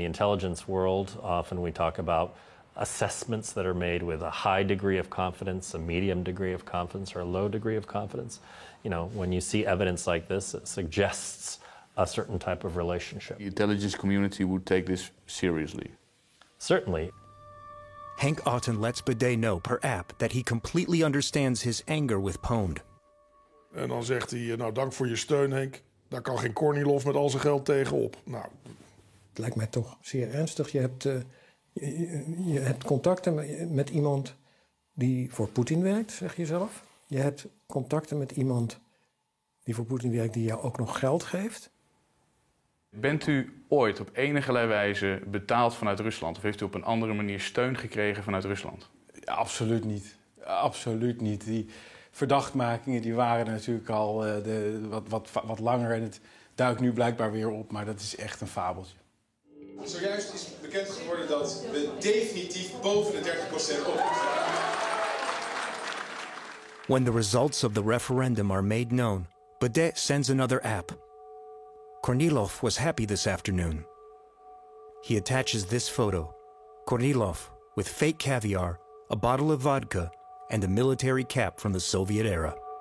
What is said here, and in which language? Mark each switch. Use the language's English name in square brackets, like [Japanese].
[English] In the intelligence world, often we talk about assessments that are made with a high degree of confidence, a medium degree of confidence, or a low degree of confidence. You know, when you see evidence like this, it suggests a certain type of relationship. The intelligence community would take this seriously. Certainly. Hank Otten lets Baudet know per app that he completely understands his anger with Pwned. [Dutch] En dan zegt hij, nou, dank voor je steun, Henk. Daar kan geen Kornilov met al zijn geld tegenop. Nou, het lijkt mij toch zeer ernstig. Je hebt contacten met iemand die voor Poetin werkt, zeg je zelf. Je hebt contacten met iemand die voor Poetin werkt, die jou ook nog geld geeft. Bent u ooit op enige wijze betaald vanuit Rusland? Of heeft u op een andere manier steun gekregen vanuit Rusland? Ja, absoluut niet. Absoluut niet. Die verdachtmakingen die waren natuurlijk al wat langer en het duikt nu blijkbaar weer op, maar dat is echt een fabeltje. Zojuist is bekend geworden dat we definitief boven de 30% op. [English] When the results of the referendum are made known, Baudet sends another app. Kornilov was happy this afternoon. He attaches this photo. Kornilov with fake caviar, a bottle of vodka, and a military cap from the Soviet era.